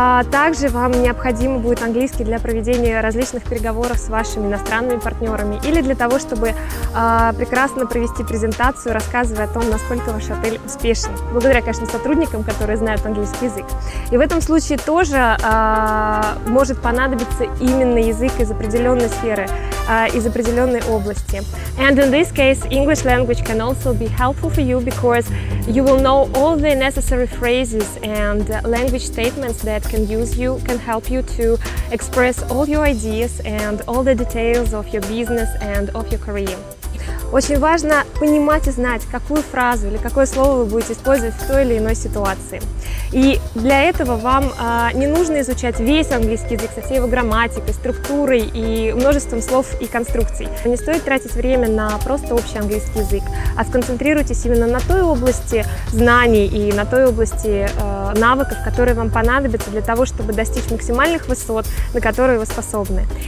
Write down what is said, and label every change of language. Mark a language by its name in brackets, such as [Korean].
[Russian] Также вам необходимо будет английский для проведения различных переговоров с вашими иностранными партнерами или для того, чтобы прекрасно провести презентацию, рассказывая о том, насколько ваш отель успешен. Благодаря, конечно, сотрудникам, которые знают английский язык. И в этом случае тоже может понадобиться именно язык из определенной сферы, из определенной области. [English] And in this case, English language can also be helpful for you because you will know all the necessary phrases and language statements that can use you, can help you to express all your ideas and all the details of your business and of your career. [Russian] Очень важно понимать и знать, какую фразу или какое слово вы будете использовать в той или иной ситуации. И для этого вам не нужно изучать весь английский язык со всей его грамматикой, структурой и множеством слов и конструкций. Не стоит тратить время на просто общий английский язык, а сконцентрируйтесь именно на той области знаний и на той области навыков, которые вам понадобятся для того, чтобы достичь максимальных высот, на которые вы способны.